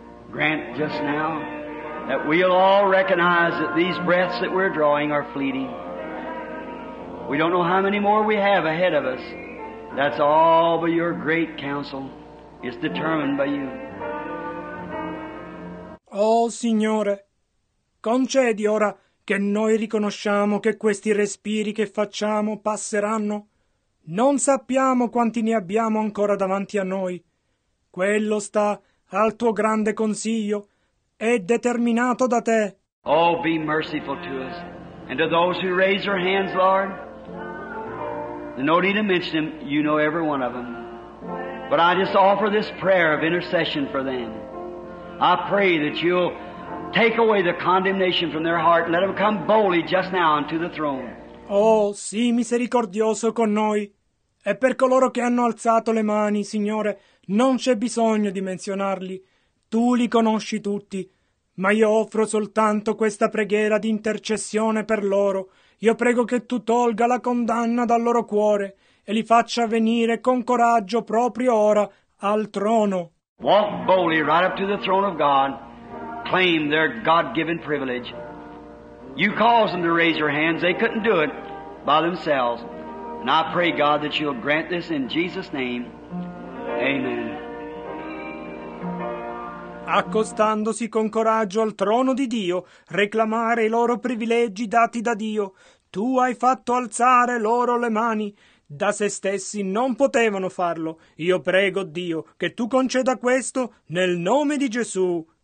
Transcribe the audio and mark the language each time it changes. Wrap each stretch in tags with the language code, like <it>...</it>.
<en>Grant just now that we'll all recognize that these breaths that we're drawing are fleeting. We don't know how many more we have ahead of us. That's all by your great counsel. It's determined by you.</en> <it>Oh, Signore, concedi ora che noi riconosciamo che questi respiri che facciamo passeranno. Non sappiamo quanti ne abbiamo ancora davanti a noi. Quello sta al tuo grande consiglio. È determinato da te.</it> <en>Oh, be merciful to us and to those who raise their hands, Lord. No need to mention them, you know every one of them. But I just offer this prayer of intercession for them. I pray that you'll take away the condemnation from their heart and let them come boldly just now unto the throne.</en> <it>Oh, sii misericordioso con noi. E per coloro che hanno alzato le mani, Signore, non c'è bisogno di menzionarli. Tu li conosci tutti. Ma io offro soltanto questa preghiera di intercessione per loro. Io prego che tu tolga la condanna dal loro cuore e li faccia venire con coraggio proprio ora al trono.</it> <en>Walk boldly right up to the throne of God, claim their God-given privilege. You cause them to raise your hands. They couldn't do it by themselves. And I pray, God, that you'll grant this in Jesus' name. Amen.</en> <it>Accostandosi con coraggio al trono di Dio, reclamare i loro privilegi dati da Dio. Tu hai fatto alzare loro le mani. Da se stessi non potevano farlo. Io prego, Dio, che tu conceda questo nel nome di Gesù.</it>